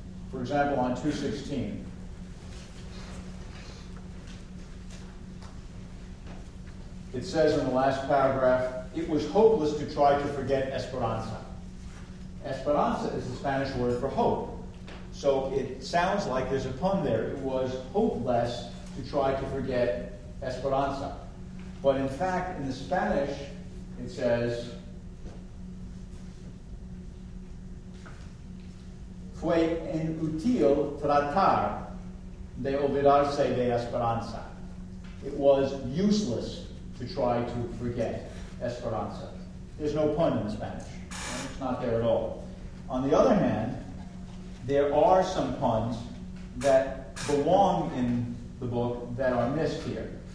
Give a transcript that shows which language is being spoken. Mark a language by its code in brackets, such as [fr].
[en] For example, on 216, it says in the last paragraph, "It was hopeless to try to forget Esperanza." Esperanza is the Spanish word for hope. So it sounds like there's a pun there. It was hopeless to try to forget Esperanza. But in fact, in the Spanish, it says, [es] fue inútil tratar de olvidarse de Esperanza. [en] It was useless to try to forget Esperanza. There's no pun in Spanish. It's not there at all. On the other hand, there are some puns that belong in the book that are missed here.